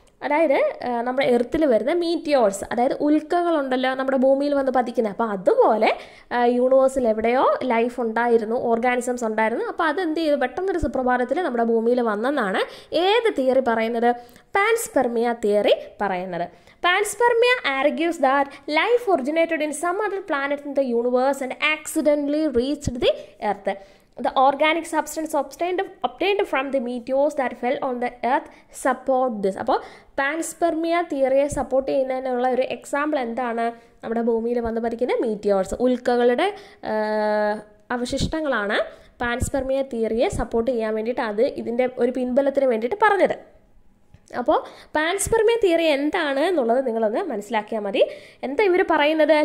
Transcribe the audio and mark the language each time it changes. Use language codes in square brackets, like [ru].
[ml] അതായത് നമ്മുടെ എർത്തിൽ വരുന്ന മീറ്റിയോഴ്സ്, അതായത് ഉൽക്കകളുണ്ടല്ലോ നമ്മുടെ ഭൂമിയിൽ വന്ന് പതിക്കുന്നത്, അപ്പോൾ അതുപോലെ യൂണിവേഴ്സിൽ എവിടെയോ ലൈഫ് ഉണ്ടായിരുന്നു, ഓർഗാനിസംസ് ഉണ്ടായിരുന്നു. അപ്പോൾ അത് എന്ത് ചെയ്തു? പെട്ടെന്നൊരു സുപ്രഭാതത്തിൽ നമ്മുടെ ഭൂമിയിൽ വന്നെന്നാണ് ഏത് തിയറി പറയുന്നത്? പാൻസ്പെർമിയ തിയറി പറയുന്നത്. [en] Panspermia argues that life originated in some other planet in the universe and accidentally reached the earth. The organic substance obtained from the meteors that fell on the earth support this. [ml] അപ്പോൾ panspermia തിയറിയെ support ചെയ്യുന്നതിനുള്ള ഒരു example എന്താണ്? നമ്മുടെ ഭൂമിയിൽ വന്ന് പതിക്കുന്ന മീറ്റിയോഴ്സ്, ഉൽക്കകളുടെ അവശിഷ്ടങ്ങളാണ് panspermia തിയറിയെ support ചെയ്യാൻ വേണ്ടിയിട്ട് അത് ഇതിൻ്റെ ഒരു പിൻബലത്തിന് വേണ്ടിയിട്ട് പറഞ്ഞത്. അപ്പോൾ പാൻസ്പെർമിയ തിയറി എന്താണ് എന്നുള്ളത് നിങ്ങളൊന്ന് മനസ്സിലാക്കിയാൽ മതി. എന്താ ഇവർ പറയുന്നത്?